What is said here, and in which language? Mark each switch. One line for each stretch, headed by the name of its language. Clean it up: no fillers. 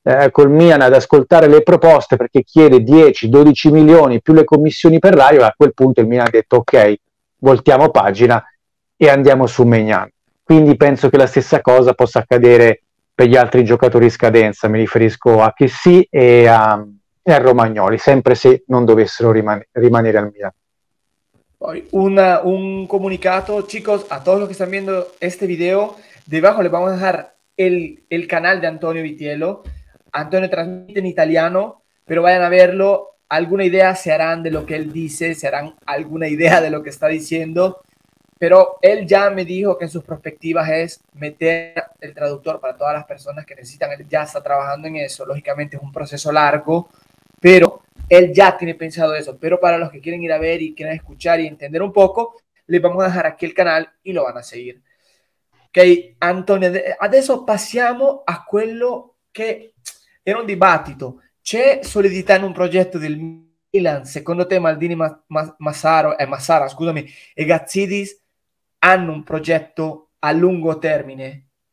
Italian: col Milan ad ascoltare le proposte, perché chiede 10-12 milioni più le commissioni per Raiola, a quel punto il Milan ha detto ok, voltiamo pagina e andiamo su Maignan. Quindi penso che la stessa cosa possa accadere per gli altri giocatori in scadenza, mi riferisco a Kessié e a Romagnoli, sempre se non dovessero rimanere al Milan. Poi un comunicato,
Spanish: chicos, a todos los que están viendo este video, debajo le vamos a dejar el canal de Antonio Vitiello. Antonio transmite en italiano, pero vayan a verlo, alguna idea se harán de lo que él dice, se harán alguna idea de lo que está diciendo, pero él ya me dijo que en sus perspectivas es meter el traductor para todas las personas que necesitan, él ya está trabajando en eso, lógicamente es un proceso largo, pero él ya tiene pensado eso, pero para los que quieren ir a ver y quieren escuchar y entender un poco, les vamos a dejar aquí el canal y lo van a seguir.
Italian: Ok, Antonio, adesso passiamo a quello che era un dibattito. C'è solidità in un progetto del Milan? Secondo te Maldini, Massara, scusami, e Gazzidis hanno un progetto a lungo termine?